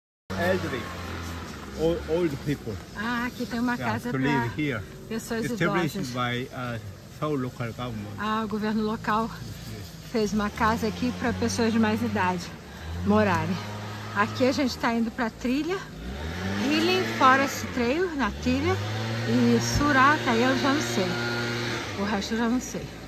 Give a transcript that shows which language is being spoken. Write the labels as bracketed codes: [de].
[en] Elderly. Old people. [pt] Ah, aqui tem uma casa para pessoas idosas. [en] Established by Seoul local government. [pt] Ah, o governo local fez uma casa aqui para pessoas de mais idade morarem. Aqui a gente está indo para a trilha, Healing Forest Trail, na trilha, e Surata, aí eu já não sei, o resto eu já não sei.